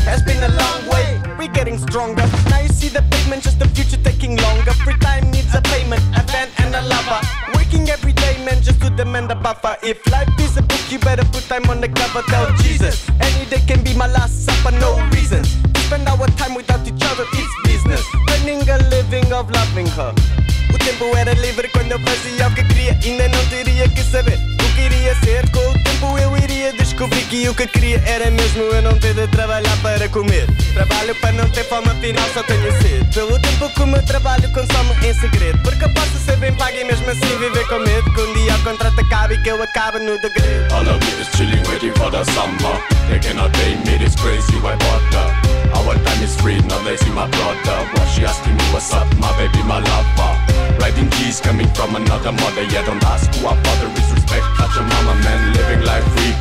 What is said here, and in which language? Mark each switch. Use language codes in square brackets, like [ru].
[en] It's been a long way, we're getting stronger. Now you see the pavement, just the future taking longer. Free time needs a payment, a van and a lover. Working every day, man, just to demand a buffer. If life is a book, you better put time on the cover. Tell Jesus, any day can be my last supper. No reasons to spend our time without each other, it's business. Earning a living of loving her. [pt] O tempo era livre quando eu fazia o que queria. Ainda não teria que saber o que iria ser. Com o tempo eu iria descobrir que o que queria era mesmo eu não ter de trabalhar para comer. Trabalho para não ter fome, afinal só tenho sede. Pelo tempo que o meu trabalho consome em segredo. Porque eu posso ser bem pago e mesmo assim viver com medo. Que um dia o contrato acabe e que eu acabe no degredo. [en] All of you is chilling waiting for the summer. They cannot pay me this crazy white water. Our time is free, now they see my brother. While she asking me what's up, my baby, my lover. Riding G's coming from another mother. Yeah, don't ask who our father is, respect patchamama, man, living life free.